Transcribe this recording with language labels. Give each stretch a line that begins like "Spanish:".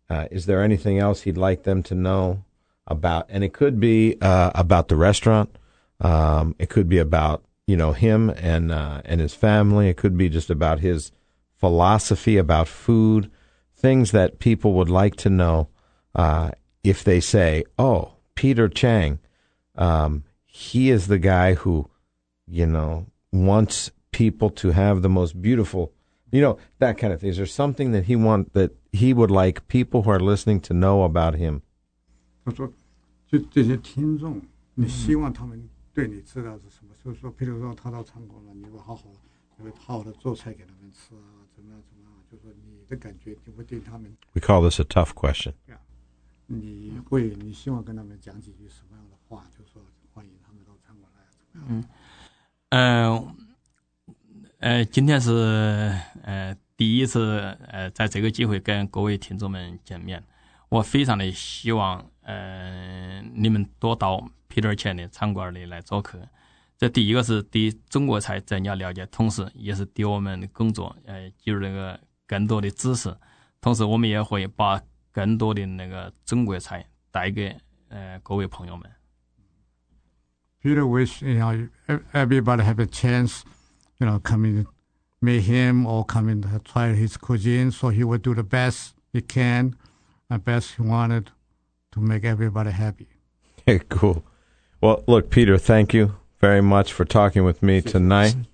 English: Is there anything else he'd like them to knowabout, and it could be about the restaurant, it could be about, you know, him and his family, it could be just about his philosophy about food, things that people would like to know if they say, oh, Peter Cheng, he is the guy who, you know, wants people to have the most beautiful, you know, that kind of thing. Is there something that he want that he would like people who are listening to know about him?
Chinese: 他说就这些听众你希望他们对你知道是什么、嗯、就是说比如说他到餐馆了你会好好的做菜给他们吃啊，怎么样就是说你的感觉你会对他们
English: We call this a tough question、 yeah.
Chinese: 你希望跟他们讲几句什么样的话就是说欢迎他们到餐馆来怎么样、今天是第一次在这个机会跟各位听众们见面我非常的希望你们多到 Peter Cheng 的餐馆里来做客，这第一个是对中国菜增加了解，同时也是对我们的工作就是那个更多的知识，同时我们也会把更多的那个中国菜带给各位朋友们。
English: Peter wish you know everybody have a chance, you know, coming meet him or coming to try his cuisine, so he will do the best he can and best he wanted. To make everybody happy. Hey, cool. Well, look, Peter, thank you very much for talking with me tonight.